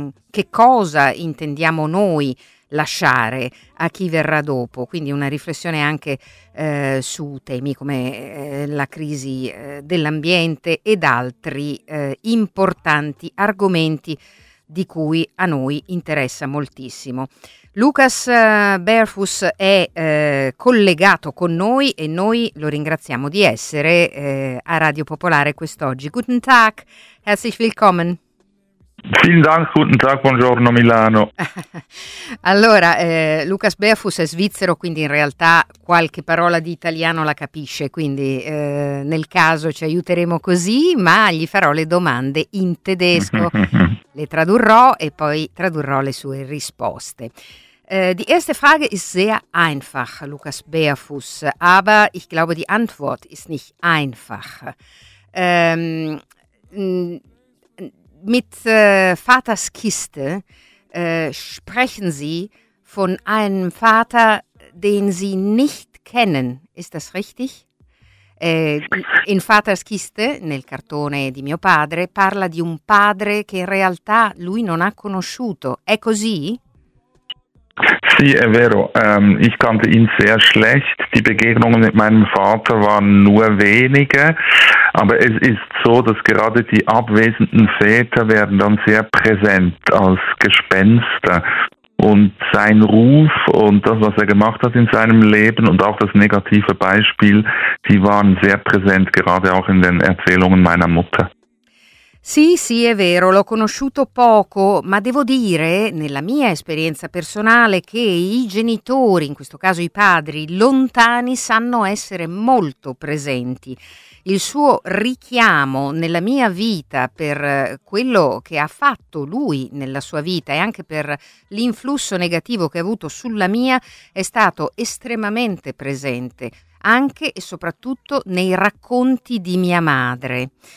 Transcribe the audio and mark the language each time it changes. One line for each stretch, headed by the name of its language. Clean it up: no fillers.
Italian: che cosa intendiamo noi lasciare a chi verrà dopo, quindi una riflessione anche su temi come la crisi dell'ambiente ed altri importanti argomenti di cui a noi interessa moltissimo. Lucas Berfus è collegato con noi e noi lo ringraziamo di essere a Radio Popolare quest'oggi.
German: Guten Tag, herzlich willkommen. Vielen Dank, guten Tag,
Italian: buongiorno Milano. Allora, Lucas Berfus è svizzero, quindi in realtà qualche parola di italiano la capisce, quindi nel caso ci aiuteremo così, ma gli farò le domande in tedesco, le tradurrò e poi tradurrò le sue risposte.
German: Die erste Frage ist sehr einfach, Lucas Berfus, aber ich glaube die Antwort ist nicht einfach. Mit Vaters Kiste sprechen Sie von einem Vater, den Sie nicht kennen. Ist das richtig?
Italian: In Vaters Kiste, nel cartone di mio padre, parla di un padre che in realtà lui non ha conosciuto. È così? Sì, è vero.
German: Ich kannte ihn sehr schlecht. Die Begegnungen mit meinem Vater waren nur wenige. Aber es ist so, dass gerade die abwesenden Väter werden dann sehr präsent als Gespenster. Und sein Ruf und das, was er gemacht hat in seinem Leben und auch das negative Beispiel, die waren sehr präsent, gerade auch in den Erzählungen meiner Mutter.
Italian: Sì, sì, è vero, l'ho conosciuto poco, ma devo dire, nella mia esperienza personale, che i genitori, in questo caso i padri, lontani, sanno essere molto presenti. Il suo richiamo nella mia vita per quello che ha fatto lui nella sua vita e anche per l'influsso negativo che ha avuto sulla mia è stato estremamente presente, anche e soprattutto nei racconti di mia madre.